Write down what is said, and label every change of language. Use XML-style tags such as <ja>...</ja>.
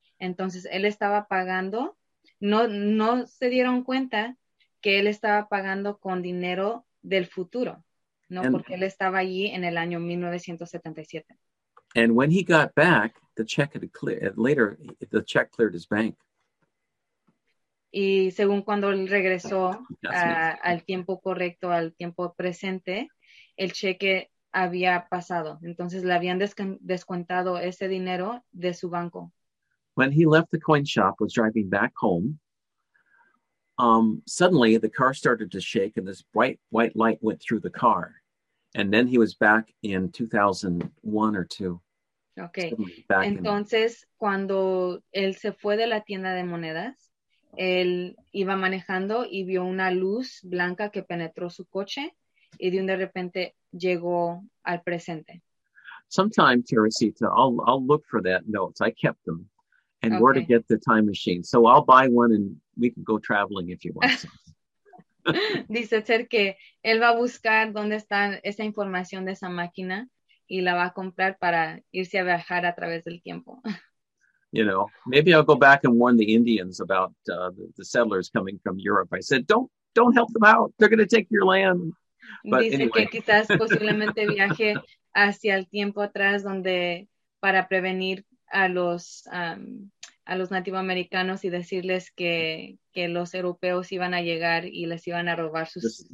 <es>Entonces, él estaba pagando, no se dieron cuenta que él estaba pagando con dinero del futuro, ¿no? And, porque él estaba allí en el año 1977.</es> <en>And when he got back, the check had cleared, later, the check cleared his bank.</en> <es>Y según cuando él regresó al tiempo correcto, al tiempo presente, el cheque había pasado. Entonces le habían descuentado ese dinero de su banco.</es> <en>When he left the coin shop, was driving back home, suddenly the car started to shake and this bright white light went through the car. And then he was back in 2001 or 2. Okay.</en> <es>Entonces, cuando él se fue de la tienda de monedas, él iba manejando y vio una luz blanca que penetró su coche y de repente llegó al presente.</es> <en>Sometime, Teresita, I'll look for that notes. I kept them. And okay. Where to get the time machine. So I'll buy one and we can go traveling if you want.</en> <es>Dice Ter que él va a buscar dónde está esa información de esa máquina y la va a comprar para irse a viajar a través del tiempo.</es> <en>You know, maybe I'll go back and warn the Indians about the settlers coming from Europe. I said, don't help them out. They're going to take your land.</en> <es>But dice anyway. Que quizás posiblemente viaje hacia el tiempo atrás donde para prevenir a los nativoamericanos y decirles que los europeos iban a llegar y les iban a robar sus</es>